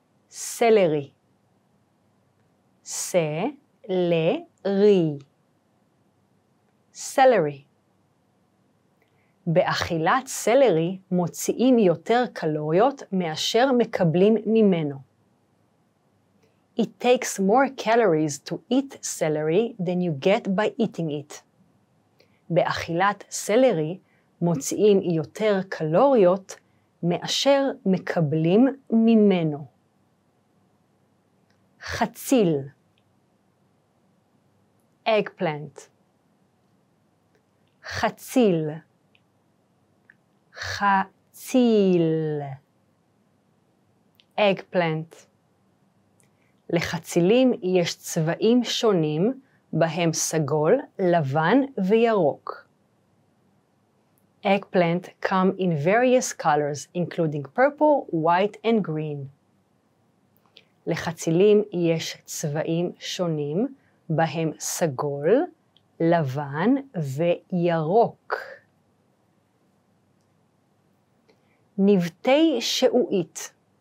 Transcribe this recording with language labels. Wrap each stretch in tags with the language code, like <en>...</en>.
<en>Celery. Celery. Celery.</en> <he>באכילת סלרי מוציאים יותר קלוריות מאשר מקבלים ממנו.</he> <en>It takes more calories to eat celery than you get by eating it.</en> <he>באכילת סלרי מוציאים יותר קלוריות מאשר מקבלים ממנו. חציל. Eggplant. חציל. חציל. Eggplant. לחצילים יש צבעים שונים, בהם סגול, לבן וירוק.</he> <en>Eggplant come in various colors, including purple, white and green.</en> <he>לחצילים יש צבעים שונים, בהם סגול, לבן וירוק. נבטי שעועית.</he>